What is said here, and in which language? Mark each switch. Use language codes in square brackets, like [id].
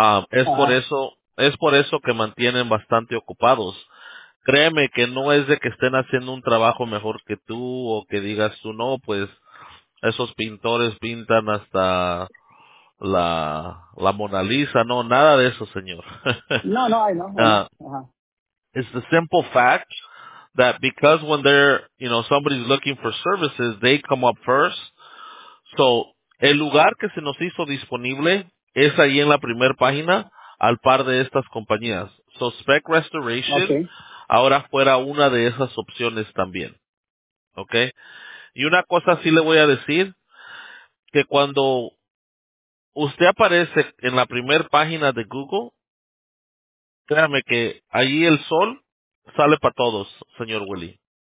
[es] Es por eso que mantienen bastante ocupados. Créeme que no es de que estén haciendo un trabajo mejor que tú o que digas tú, no, pues esos pintores pintan hasta la Mona Lisa, no, nada de eso, señor. [en] No, no, I know, I know. It's the simple fact that because when they're, somebody's looking for services, they come up first. [es] So, el lugar que se nos hizo disponible es ahí en la primera página, al par de estas compañías. So, Spec Restoration ahora fuera una de esas opciones también. ¿Ok? Y una cosa sí le voy a decir, que cuando usted aparece en la primera página de Google, créame que allí el sol sale para todos, señor Willy.